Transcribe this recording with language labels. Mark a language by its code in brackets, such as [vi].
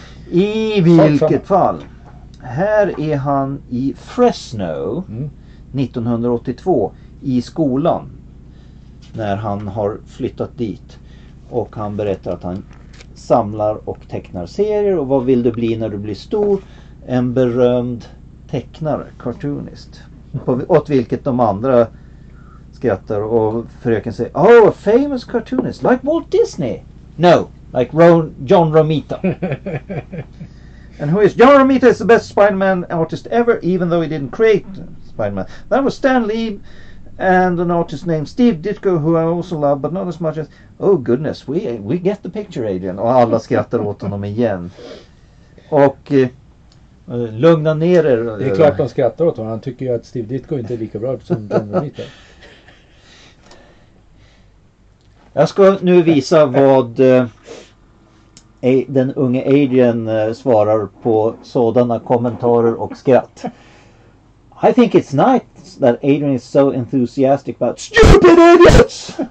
[sv] I vilket fall, här är han i Fresno 1982 i skolan när han har flyttat dit och han berättar att han samlar och tecknar serier och vad vill du bli när du blir stor? En berömd tecknare, cartoonist. Åt vilket de andra skrattar och fröken säger, [en] oh, a famous cartoonist, like Walt Disney. No, like John Romita. And who is John Romita is the best Spider-Man artist ever, even though he didn't create Spider-Man. That was Stan Lee and an artist named Steve Ditko, who I also love, but not as much as, oh goodness, we get the picture, Adrian. [sv] Och alla skrattar åt honom igen. Och... lugna ner er. Det är klart de skrattar åt honom. Han tycker ju att Steve Ditko inte är lika bra som John Romita. Jag ska nu visa vad den unge Adrian svarar på sådana kommentarer och skratt. [en] I think it's nice that Adrian is so enthusiastic about stupid idiots!